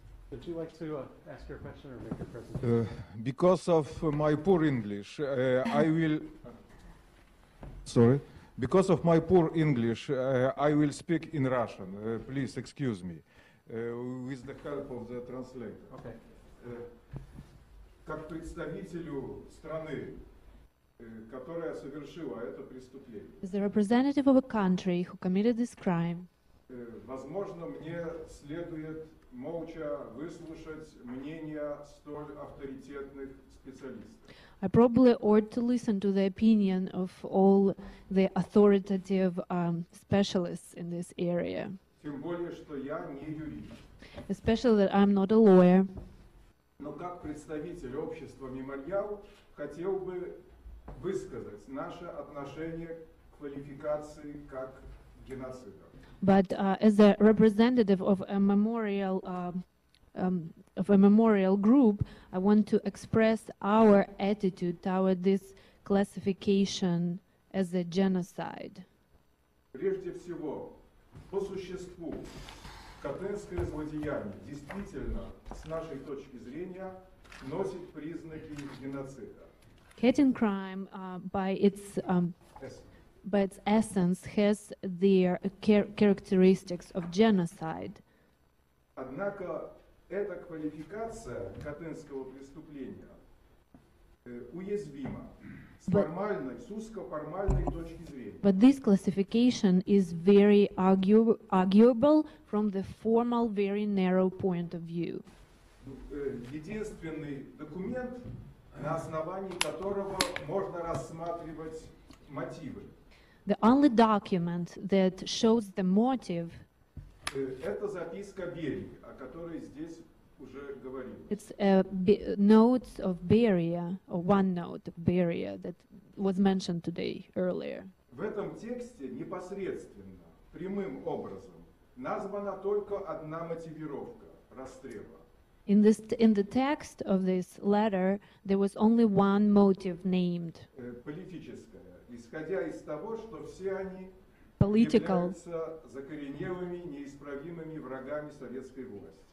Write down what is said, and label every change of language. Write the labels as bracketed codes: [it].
[en] Would you like to ask your question or make your presentation? Because of my poor English, I will. Sorry. Because of my poor English, I will speak in Russian. Please excuse me, with the help of the translator. Okay. [ru] Как представителю страны, которая совершила это преступление. [en] As the representative of a country who committed this crime, [ru] возможно, мне следует молча выслушать мнение столь авторитетных специалистов. [en] I probably ought to listen to the opinion of all the authoritative specialists in this area. [ru] Тем более, что я не юрист. [en] Especially that I'm not a lawyer. [ru] Но как представитель общества «Мемориал» хотел бы высказать наше отношение к квалификации как геноцида. [en] But as a representative of a memorial group, I want to express our attitude toward this classification as a genocide. [ru] Прежде всего, по существу, Катынское злодеяние действительно, с нашей точки зрения, носит признаки геноцида. [en] Katyn crime, by its essence, has the characteristics of genocide. [ru] Однако эта квалификация Катынского преступления уязвима с формальной, с узкоформальной точки зрения. [en] But this classification is very arguable from the formal, very narrow point of view. [ru] единственный документ, на основании которого можно рассматривать мотивы. [en] The only document that shows the motive. [ru] Это записка Берии, о которой здесь уже говорил. [en] It's a notes of Beria, or one note of Beria that was mentioned today earlier. [ru] В этом тексте непосредственно, прямым образом, названа только одна мотивировка расстрела. [en] In this, in the text of this letter, there was only one motive named. [ru] Политическое, исходя из того, что все они [en] political. [ru] Являются закоренелыми, неисправимыми врагами советской власти.